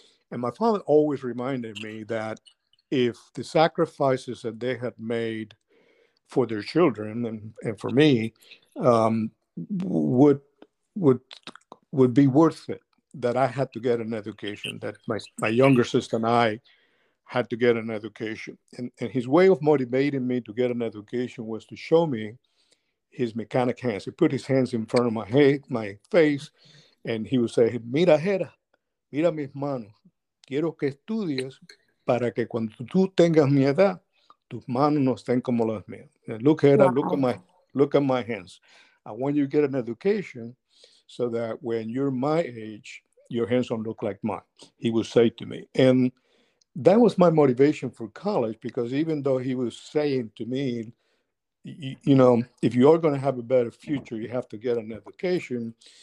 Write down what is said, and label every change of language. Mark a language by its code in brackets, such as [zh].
[en] And my father always reminded me that if the sacrifices that they had made for their children and for me would be worth it, that I had to get an education, that my younger sister and I had to get an education. And his way of motivating me to get an education was to show me his mechanic hands. He put his hands in front of my face, and he would say, [es] "Mira, Jera, mira mis manos. Quiero que estudies para que cuando tú tengas mi edad, tus manos no estén como las mías. [en] Look, Jera, look at my hands. I want you to get an education so that when you're my age, your hands don't look like mine," he would say to me. And that was my motivation for college, because even though he was saying to me, if you are going to have a better future, you have to get an education.